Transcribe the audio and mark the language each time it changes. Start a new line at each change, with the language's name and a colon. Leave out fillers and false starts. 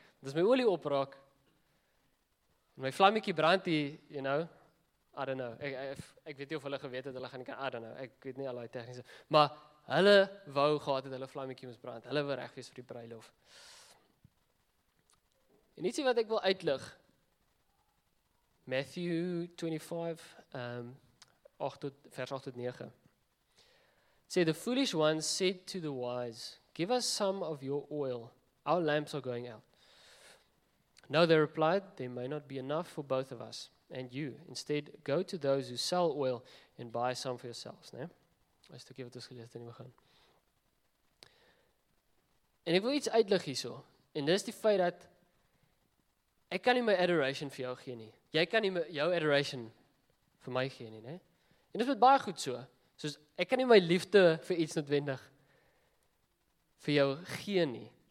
Afrikaans: Want as my olie opraak, my vlammetjie brand hier,
English: you know, I don't know.
Afrikaans: Ek weet nie of hulle geweet het, hulle gaan nie,
English: I don't know.
Afrikaans: Ek weet nie al die tegniese. Maar hulle wou gehad het, hulle vlammetjie moes brand. Hulle wou reg wees vir die bruilof. En ietsie wat ek wil uitlig, Matthew 25, 8-9.
English: Say, the foolish ones said to the wise, give us some of your oil. Our lamps are going out. No, they replied, there may not be enough for both of us and you. Instead, go to those who sell oil and buy some for yourselves.
Afrikaans: Nee? Een stukje wat ons gelees het in die begin. En ek wil iets uitlig hierso. En dit is die feit dat ek kan nie my adoration vir jou gee nie. Jy kan nie jou adoration vir my gee nie. Nee? En dit is baie goed so. Soos ek kan nie my liefde vir iets noodwendig vir jou gee nie.